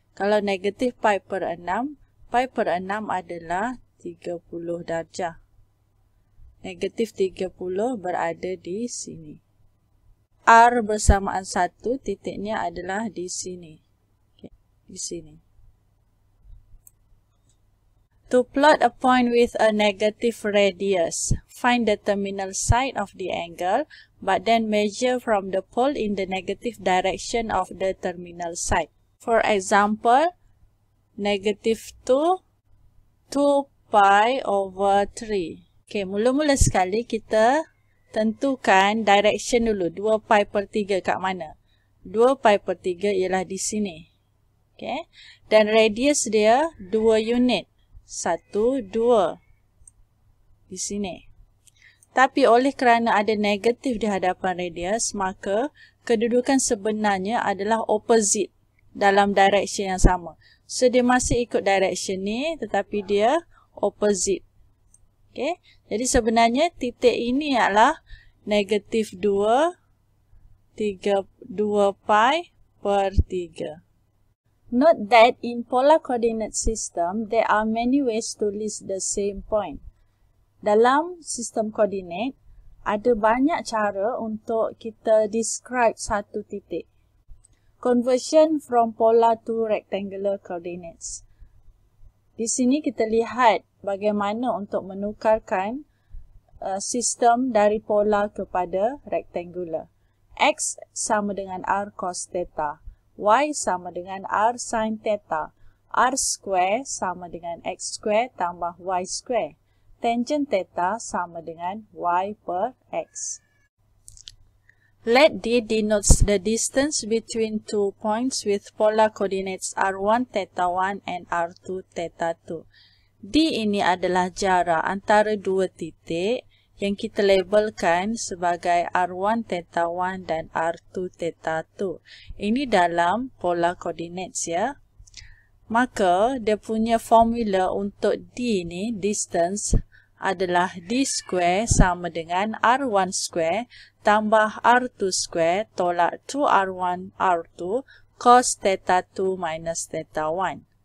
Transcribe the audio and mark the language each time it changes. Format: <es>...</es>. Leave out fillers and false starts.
<ms>Kalau negative pi per 6, pi per 6 adalah 30 darjah. Negative 30 berada di sini. R bersamaan 1, titiknya adalah di sini. Okay, di sini.</ms> <en>To plot a point with a negative radius, find the terminal side of the angle, but then measure from the pole in the negative direction of the terminal side. For example, negative 2, 2 pi over 3.</en> <ms>Okay, mula-mula sekali kita tentukan direction dulu, 2 pi per 3 kat mana? 2 pi per 3 ialah di sini. Okay. Dan radius dia 2 unit. 1, 2. Di sini. Tapi oleh kerana ada negatif di hadapan radius, maka kedudukan sebenarnya adalah opposite dalam direction yang sama. So, dia masih ikut direction ni tetapi dia opposite. Okay. Jadi sebenarnya titik ini ialah negatif 2, 3, 2 pi per 3.</ms> <en>Note that in polar coordinate system, there are many ways to list the same point.</en> <ms>dalam sistem koordinat, ada banyak cara untuk kita describe satu titik.</ms> <en>Conversion from polar to rectangular coordinates.</en> <ms>Di sini kita lihat bagaimana untuk menukarkan sistem dari polar kepada rectangular. X sama dengan R cos theta. Y sama dengan R sin theta. R square sama dengan X square tambah Y square. Tangent theta sama dengan Y per X.</ms> <en>Let D denotes the distance between two points with polar coordinates R1 theta 1 and R2 theta 2.</en> <ms>D ini adalah jarak antara dua titik yang kita labelkan sebagai R1 theta 1 dan R2 theta 2. Ini dalam polar coordinates ya. Maka dia punya formula untuk D ni, distance, adalah D square sama dengan R1 square tambah R2 square tolak 2R1 R2 cos theta 2 minus theta 1.</ms>